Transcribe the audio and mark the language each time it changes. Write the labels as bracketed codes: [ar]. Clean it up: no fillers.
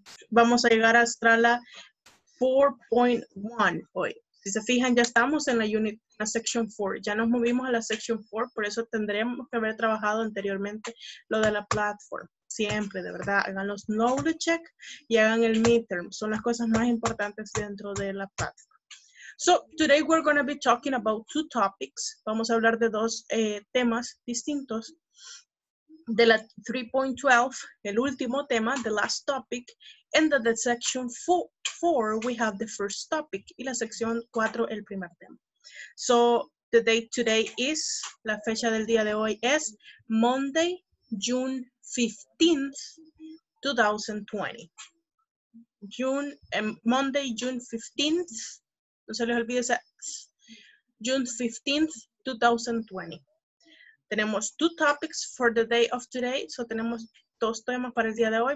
[es] Vamos a llegar hasta la 4.1 hoy. Si se fijan, ya estamos en la unit, en la section 4. Ya nos movimos a la section 4, por eso tendremos que haber trabajado anteriormente lo de la platform. Siempre, de verdad, hagan los knowledge check y hagan el midterm. Son las cosas más importantes dentro de la plataforma. [en] So, today we're going to be talking about two topics. [es] Vamos a hablar de dos temas distintos. De la 3.12, el último tema, [en] the last topic. And the section 4, we have the first topic. [es] Y la sección 4, el primer tema. [en] So, the day today is, [es] la fecha del día de hoy es [en] Monday, June 15th, 2020. June, Monday, June 15th. [es] No se les olvide esa. [en] June 15th, 2020. [es] Tenemos [en] two topics for the day of today. [es] So tenemos dos temas para el día de hoy.